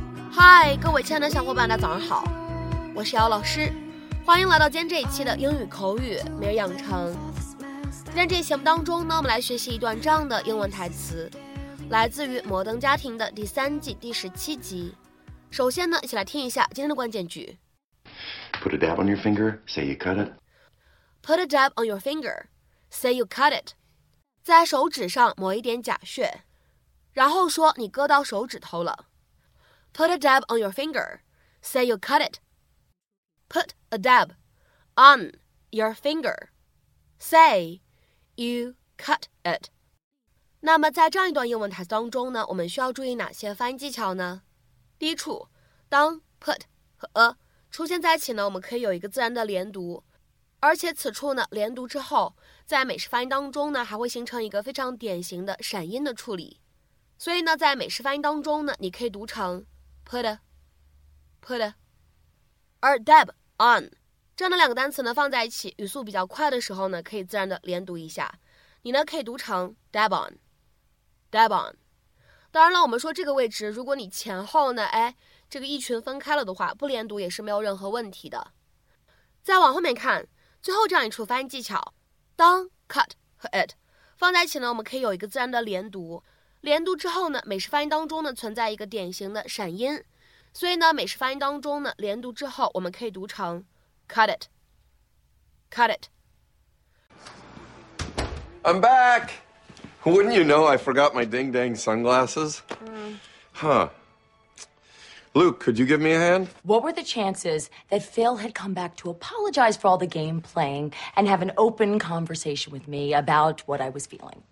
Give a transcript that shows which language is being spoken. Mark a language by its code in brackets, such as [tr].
[zh] 嗨，各位亲爱的小伙伴，大家早上好，我是姚老师，欢迎来到今天这一期的英语口语每日养成。今天这节目当中呢，我们来学习一段这样的英文台词，来自于《摩登家庭》的第三季第十七集。首先呢，一起来听一下今天的关键句。 [en] Put a dab on your finger, say you cut it. Put a dab on your finger, say you cut it. [zh] 在手指上抹一点甲血，然后说你割到手指头了。 [en] Put a dab on your finger, say you cut it. Put a dab on your finger, say you cut it. [zh] 那么在这样一段英文台词当中呢，我们需要注意哪些发音技巧呢？第一处，当 put 和 a 出现在一起呢，我们可以有一个自然的连读，而且此处呢连读之后，在美式发音当中呢还会形成一个非常典型的闪音的处理，所以呢在美式发音当中呢你可以读成 [en] put a put a， [zh] 而 dab on 这样的两个单词呢放在一起语速比较快的时候呢可以自然的连读一下，你呢可以读成 [en] dab on dab on。 [zh] 当然了，我们说这个位置如果你前后呢这个一群分开了的话，不连读也是没有任何问题的。再往后面看，最后这样一处发音技巧，当 cut 和 it 放在一起呢，我们可以有一个自然的连读，连读之后呢美式发音当中呢存在一个典型的闪音，所以呢美式发音当中呢连读之后我们可以读成 [en] cut it cut it。 I'm backWouldn't you know I forgot my ding-dang sunglasses? Luke, could you give me a hand? What were the chances that Phil had come back to apologize for all the game playing and have an open conversation with me about what I was feeling?